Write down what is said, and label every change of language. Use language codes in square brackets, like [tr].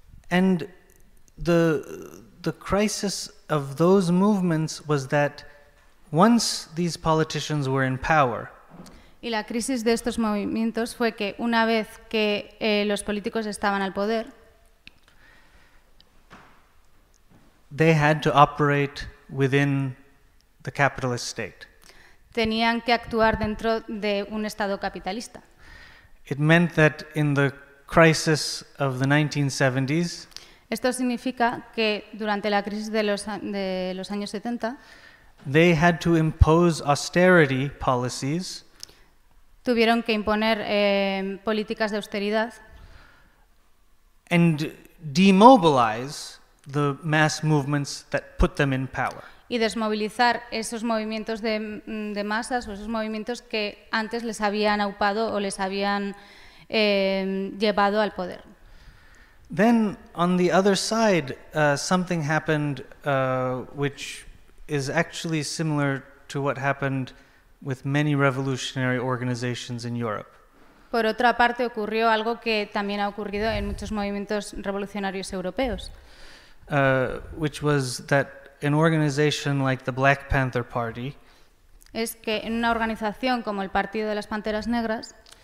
[en] And the crisis of those movements was that once these politicians were in power. [es] Y la crisis de estos movimientos fue que una vez que los políticos estaban al poder, [en] they had to operate within the capitalist state. [es] Tenían que actuar dentro de un estado capitalista. [en] It meant that in the crisis of the 1970s, [es] esto significa que durante la crisis de los años 70, [en] they had to impose austerity policies. [es] Tuvieron que imponer políticas de austeridad. [en] And demobilize the mass movements that put them in power. [es] Y desmovilizar esos movimientos de masas o esos movimientos que antes les habían aupado o les habían llevado al poder. [en] Then, on the other side, something happened which is actually similar to what happened with many revolutionary organizations in Europe. [es] Por otra parte, ocurrió algo que también ha ocurrido en muchos movimientos revolucionarios europeos. [en] Which was that an organization like the Black Panther Party, [es] es que en una organización como el Partido de las Panteras Negras,